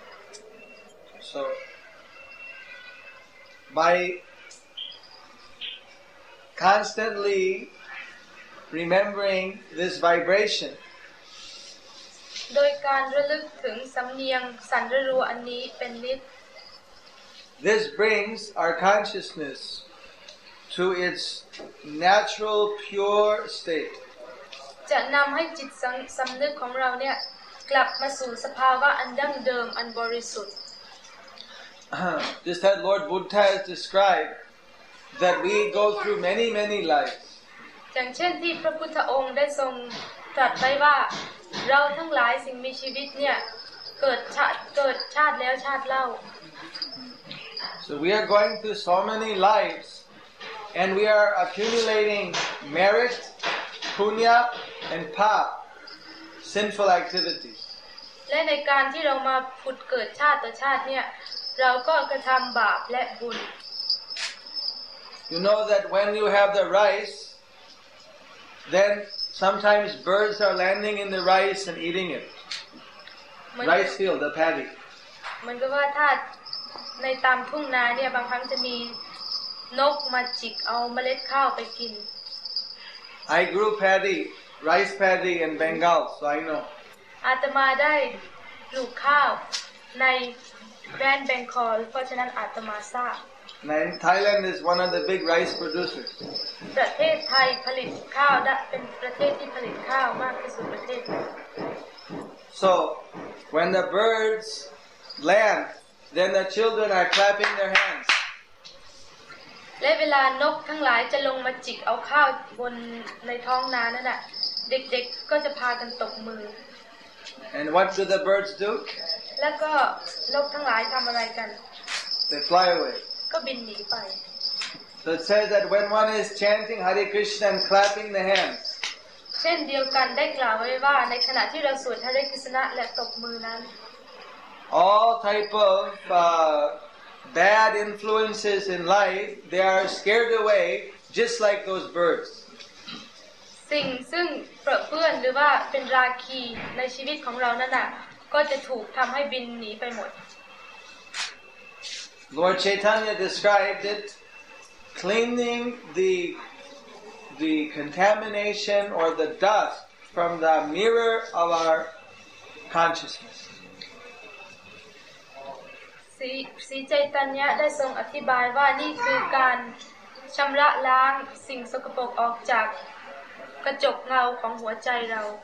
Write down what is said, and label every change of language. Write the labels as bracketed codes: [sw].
[en] So by constantly remembering this vibration [th] โดยการระลึกถึงสำเนียงสันรัวอันนี้เป็นนิด [en] This brings our consciousnessto its natural pure state [th] จะนําให้จิตสํานึกของเราเนี่ยกลับมาสู่สภาวะอันดั้งเดิมอันบริสุทธิ์ [en] This Lord Buddha has described that we go through many many lives [th] อย่างเช่นที่พระพุทธองค์ได้ทรงตรัสไว้ว่าเราทั้งหลายสิ่งมีชีวิตเนี่ยเกิดชาติแล้วชาติเล่า [en] So we are going through so many lives And we are accumulating merit, punya, and pap, sinful activities. [th] และในการที่เรามาผุดเกิดชาติต่อชาติเนี่ยเราก็กระทำบาปและบุญ [en] You know that when you have the rice, then sometimes birds are landing in the rice and eating it. Rice field, the paddy. [th] มันก็ว่าถ้าในตามทุ่งนาเนี่ยบางครั้งจะมีนกมาจิกเอาเมล็ดข้าวไปกิน [en] I grew paddy rice paddy in Bengal so I know [th] อาตมาได้ปลูกข้าวในแคว้นเบงกอลเพราะฉะนั้นอาตมาทราบ [en] In Thailand is one of the big rice producers [th] ประเทศไทยผลิตข้าวได้เป็นประเทศที่ผลิตข้าวมากที่สุดประเทศ [en] So when the birds land then the children are clapping their hands [th] และเวลานกทั้งหลายจะลงมาจิกเอาข้าวบนในท้องนานั่นน่ะเด็กๆก็จะพากันตบมือ [en] And what do the birds do? [th] แล้วก็นกทั้งหลายทำอะไรกัน [en] They fly away [th] ก็บินหนีไป [en] So it says that when one is chanting Hare Krishna and clapping the hands [th] เช่นเดียวกันได้กล่าวไว้ว่าในขณะที่เราสวดHare Krishnaและตบมือนั้น [en] All type ofBad influences in life, they are scared away, just like those birds. [th] สิ่งซึ่งเปื้อนหรือว่าเป็นราคีในชีวิตของเรานั่นน่ะก็จะถูกทำให้บินหนีไปหมด [en] Lord Chaitanya described it, cleaning the contamination or the dust from the mirror of our consciousness. [th] สีใจตัญญะได้ทรงอธิบายว่านี่คือการชำระล้างสิ่งสกปรกออกจากกระจกเงาของหัวใจเรา